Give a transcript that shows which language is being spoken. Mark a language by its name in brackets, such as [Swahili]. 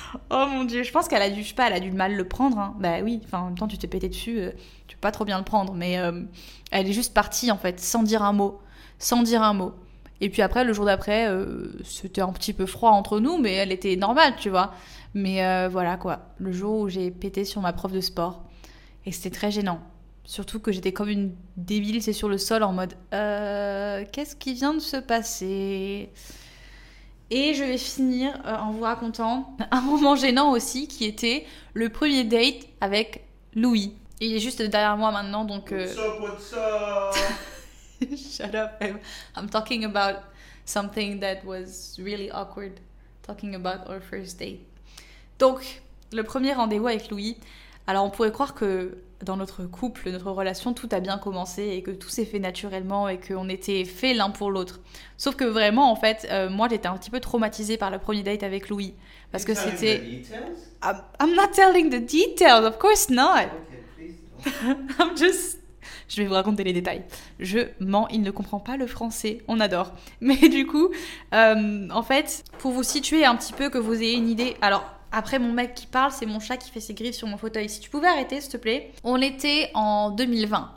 [French] Oh mon dieu, je pense qu'elle a dû, je sais pas, elle a dû mal le prendre, hein. Bah oui, enfin, en même temps tu t'es pété dessus, tu peux pas trop bien le prendre, mais elle est juste partie en fait, sans dire un mot, et puis après le jour d'après, c'était un petit peu froid entre nous, mais elle était normale, tu vois, mais voilà quoi, le jour où j'ai pété sur ma prof de sport, et c'était très gênant, surtout que j'étais comme une débile, c'est sur le sol en mode, qu'est-ce qui vient de se passer? Et je vais finir en vous racontant un moment gênant aussi qui était le premier date avec Louis. Il est juste derrière moi maintenant, donc... [English] What's up? Shut up, I'm talking about something that was really awkward, talking about our first date. [French] Donc, le premier rendez-vous avec Louis. Alors, on pourrait croire que dans notre couple, notre relation, tout a bien commencé et que tout s'est fait naturellement et qu'on était fait l'un pour l'autre. Sauf que vraiment, en fait, moi, j'étais un petit peu traumatisée par le premier date avec Louis. Parce [English] You're [French] que c'était... [English] I'm not telling the details, of course not. Okay, please don't. [French] Je vais vous raconter les détails. Je mens, il ne comprend pas le français. On adore. Mais du coup, en fait, pour vous situer un petit peu, que vous ayez une idée... Alors, après, mon mec qui parle, c'est mon chat qui fait ses griffes sur mon fauteuil. Si tu pouvais arrêter, s'il te plaît. On était en 2020.